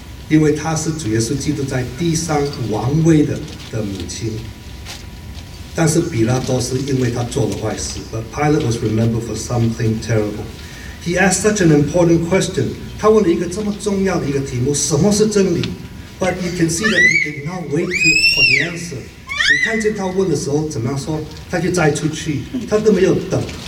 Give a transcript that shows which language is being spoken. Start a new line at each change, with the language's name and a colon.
Chinese: 因为她是主耶稣基督在地上王位的母亲。但是比拉多是因为他做了坏事，
English: but Pilate was remembered for something terrible. He asked such an important question.
Chinese: 他问了一个这么重要的一个题目，什么是真理？
English: But you can see that he did not wait for the answer.
Chinese: 你看见他问的时候怎么样说，他就再出去，他都没有等。